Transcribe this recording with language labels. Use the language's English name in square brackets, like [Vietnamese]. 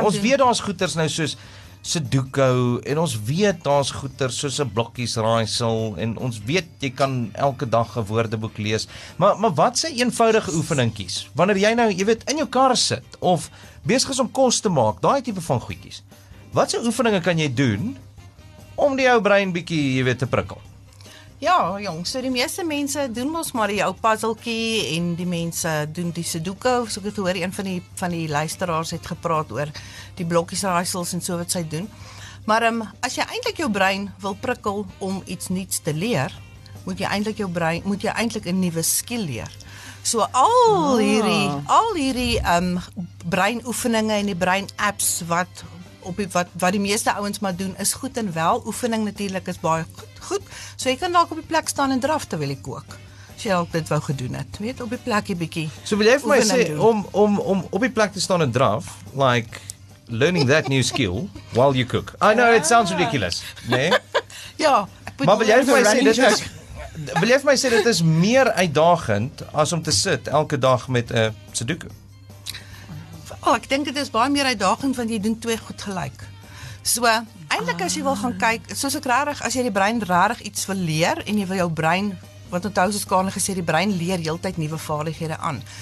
[Afrikaans] Ons weet daar is goeders nou soos, Sudoku, en ons weet daar's goeder soos 'n blokkies raaisel, en ons weet jy kan elke dag 'n woordeboek lees. Maar wat se eenvoudige oefeninkies? Wanneer jy nou, jy weet, in jou kar sit of besig is om kos te maak, daai tipe van goedjies. Wat se oefeninge kan jy doen om die ou brein bietjie, jy weet, te prikkel? Ja, jong, so die meeste mense doen ons maar die ou puzzeltjie en die mense doen die Sudoku, so ek het hoor een van die luisteraars het gepraat oor die blokkies raaisels en so wat sy doen. Maar as jy eintlik jou brein wil prikkel om iets nuuts te leer, moet jy eintlik 'n nuwe skill leer. So al hierdie breinoefeninge en die brein apps wat die meeste ouens maar doen is goed en wel. Oefening natuurlik is baie goed. So jy kan dalk op die plek staan en draf terwyl jy kook. As jy dalk dit wou gedoen het. Weet op die plekie bietjie. So wil jy vir my sê om op die plek te staan en draf, [English] like learning that new skill while you cook. I know it sounds ridiculous, né? [Afrikaans] Ja, maar wil jy vir my sê dit is meer uitdagend as om te sit elke dag met 'n Sudoku? Oh, ek dink dit is baie meer uitdagend want jy doen 2 goed gelyk. So, eintlik as jy wil gaan kyk, soos ek rarig, as jy die brein rarig iets wil leer en jy wil jou brein, wat onthou soos Karin gesê, die brein leer heeltyd nuwe vaardighede aan.